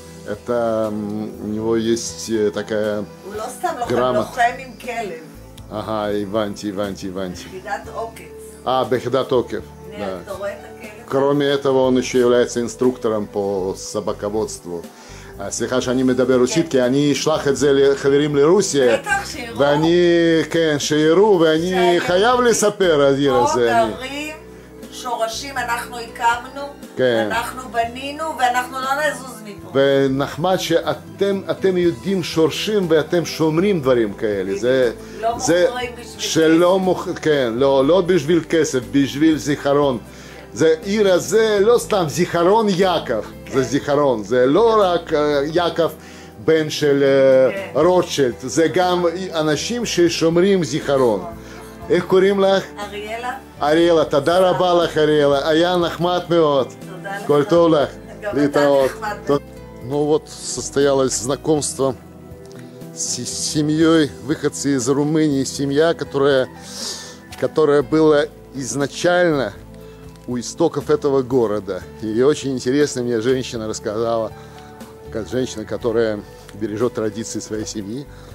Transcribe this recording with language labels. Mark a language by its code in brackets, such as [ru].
[ru] Это у него есть такая грамота. Ага, Иванти, Иванти, Иванти. А, Бехидат Окев. Да. Кроме этого, он еще является инструктором по собаководству. [he] סליחה שאני מדבר רוסית, כי אני אשלח את זה לחברים לרוסיה. בטח, שיראו. כן, שיראו, ואני חייב לספר על העיר הזה. פה גרים שורשים, אנחנו הקמנו, אנחנו בנינו, ואנחנו לא נזוז מפה. ונחמד שאתם יודעים שורשים ואתם שומרים דברים כאלה. לא מוכרים בשביל כסף. כן, לא בשביל כסף, בשביל זיכרון. זה עיר הזה, לא סתם, זיכרון יעקב. זה זיכרון, זה לא רק יעקב בן של רוטשילד, זה גם אנשים ששומרים זיכרון. איך קוראים לך? אריאלה. אריאלה, תודה רבה לך אריאלה, היה נחמד מאוד. תודה לך. כל טוב לך. גם אתה נחמד. [ru] Ну вот, состоялось знакомство с семьей, выходцы из Румынии, семья, которая была изначально у истоков этого города. И очень интересно мне женщина рассказала, как женщина, которая бережет традиции своей семьи.